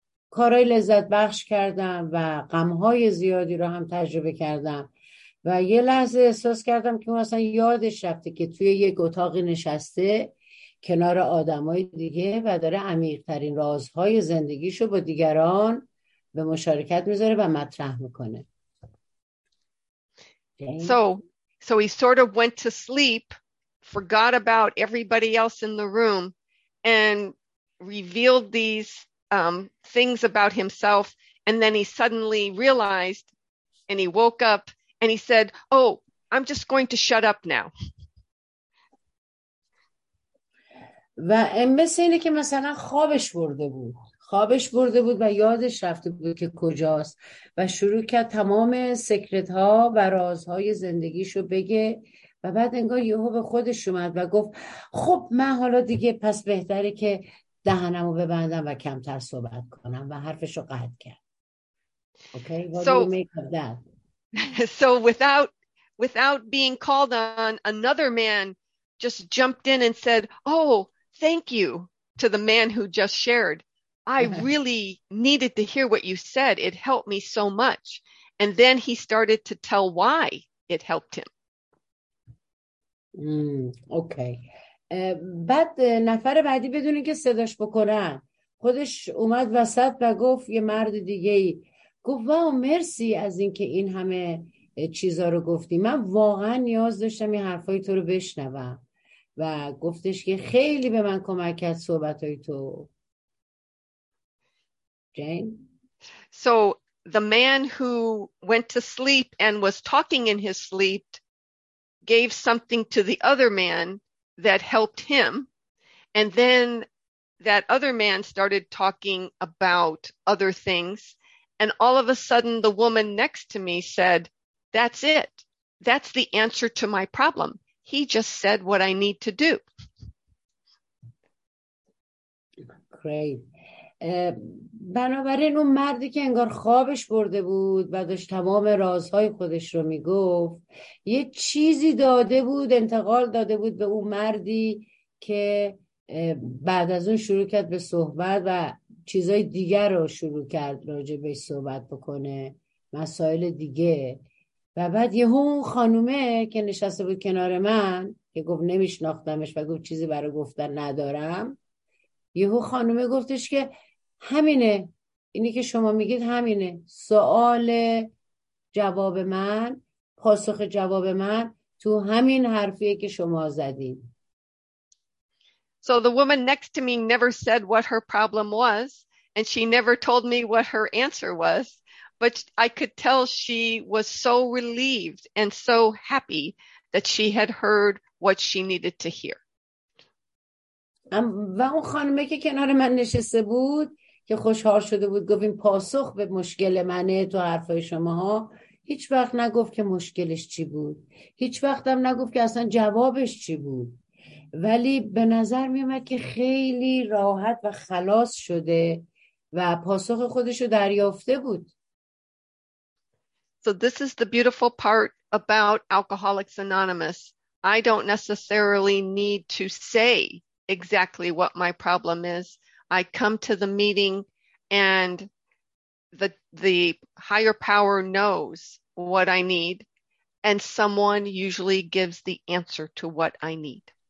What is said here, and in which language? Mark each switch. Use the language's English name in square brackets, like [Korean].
[Persian] کارهای لذت بخش کردم و غمهای زیادی رو هم تجربه کردم و یه لحظه احساس کردم که مثلا یادش رفته که توی یک اتاق نشسته کنار آدمای دیگه و داره عمیق‌ترین رازهای زندگیشو با دیگران به مشارکت میذاره و مطرح میکنه. [English] So he sort of went to sleep, forgot about everybody else in the room, and revealed these things about himself, and then he suddenly realized and he woke up and he said, oh, I'm just going to shut up now. و مثل اینه که مثلا خوابش برده بود، خوابش برده بود و یادش رفته بود که کجاست و شروع کرد تمام سکرت ها و رازهای زندگیشو بگه و بعد انگار یهو به خودش اومد و گفت خب من حالا دیگه پس بهتره که دهنمو ببندم و کمتر صحبت کنم و حرفشو قطع کرد. Okay, what do you make of that? So without being called on, another man just jumped in and said, "Oh, thank you," to the man who just shared. "I really needed to hear what you said. It helped me so much." And then he started to tell why it helped him. Okay. [Persian] بعد نفر بعدی بدون اینکه صداش بکنن خودش اومد وسط و گفت یه مرد دیگه‌ای گفت واو مرسی از اینکه این همه چیزا رو گفتی. من واقعا نیاز داشتم این حرفای تو رو بشنوم و گفتش که خیلی به من کمک کرد صحبتای تو. [English] Jane? So the man who went to sleep and was talking in his sleep gave something to the other man that helped him, and then that other man started talking about other things, and all of a sudden the woman next to me said, "That's it. That's the answer to my problem. He just said what I need to do." Great. [Persian] بنابراین اون مردی که انگار خوابش برده بود و داشت تمام رازهای خودش رو میگفت یه چیزی داده بود، انتقال داده بود به اون مردی که بعد از اون شروع کرد به صحبت و چیزای دیگر رو شروع کرد راجع به صحبت بکنه، مسائل دیگه. و بعد یه اون خانومه که نشسته بود کنار من که گفت نمیشناختمش و گفت چیزی برای گفتن ندارم، یهو خانومه گفتش که همینه، اینی که شما میگید همینه، سوال جواب من، پاسخ جواب من تو همین حرفیه که شما زدین. [English] So the woman next to me never said what her problem was and she never told me what her answer was, but I could tell she was so relieved and so happy that she had heard what she needed to hear. [Persian] و اون خانمه که کنار من نشسته بود که خوشحال شده بود گفت این پاسخ به مشکل منه تو حرفای شماها، هیچ وقت نگفت که مشکلش چی بود، هیچ وقت هم نگفت که اصلا جوابش چی بود، ولی به نظر میومد که خیلی راحت و خلاص شده و پاسخ خودشو دریافته بود. [English] So this is the beautiful part about Alcoholics Anonymous. I don't necessarily need to say exactly what my problem is. I come to the meeting and the higher power knows what I need, and someone usually gives the answer to what I need.